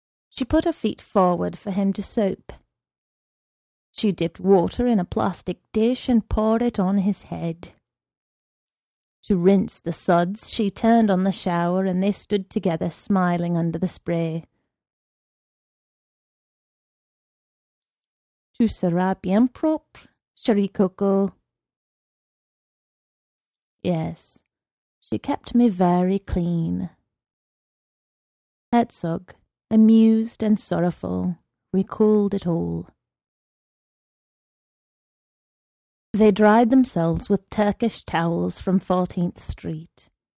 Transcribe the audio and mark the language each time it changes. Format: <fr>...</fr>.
<en>She put her feet forward for him to soap. She dipped water in a plastic dish and poured it on his head. To rinse the suds, she turned on the shower and they stood together smiling under the spray.</en> <fr>Tu seras bien propre, chérie Coco.</fr> <en>Yes, she kept me very clean. Herzog, amused and sorrowful, recalled it all. They dried themselves with Turkish towels from 14th Street.</en>